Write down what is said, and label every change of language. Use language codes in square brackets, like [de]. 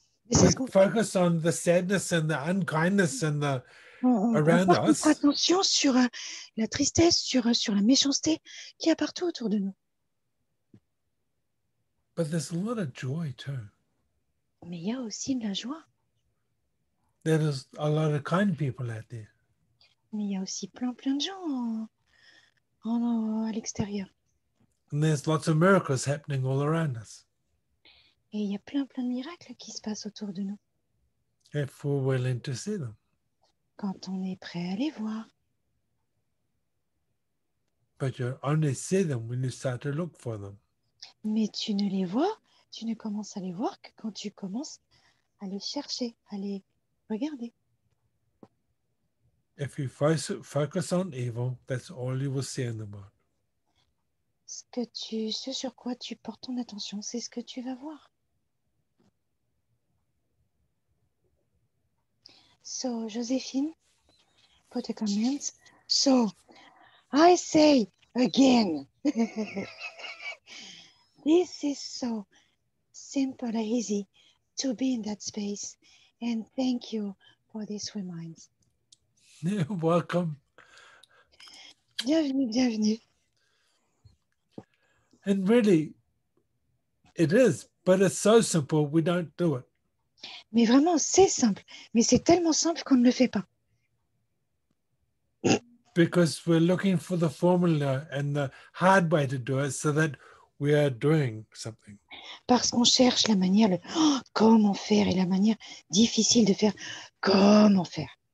[en] We focus on the sadness and the unkindness and the around us. [fr] On porte attention sur la tristesse, sur la méchanceté qu'il y a partout autour de nous. [en] But there's a lot of joy too. [fr] Mais il y a aussi de la joie. [en] There is a lot of kind people out there. [fr] Mais il y a aussi plein de gens à l'extérieur. [en] And there's lots of miracles happening all around us. [fr] Et il y a plein de miracles qui se passent autour de nous. [en] If we're willing to see them. [fr] Quand on est prêt à les voir. [en] But you only see them when you start to look for them. [fr] Mais tu ne les vois, tu ne commences à les voir que quand tu commences à les chercher, à les regarder. [en] If you focus on evil, that's all you will see in the world. [fr] Ce sur quoi tu portes ton attention, c'est ce que tu vas voir. [en] So, Josephine, put a comment. So, I say again. This is so simple and easy to be in that space. And thank you for this reminder. You're welcome. [fr] Bienvenue. [en] And really, it is, but it's so simple, we don't do it. [fr] Mais vraiment, c'est simple. Mais c'est tellement simple qu'on ne le fait pas. [en] Because we're looking for the formula and the hard way to do it so that we are doing something. [fr] Parce qu'on cherche la manière, comment faire, et la manière difficile de faire, comment faire.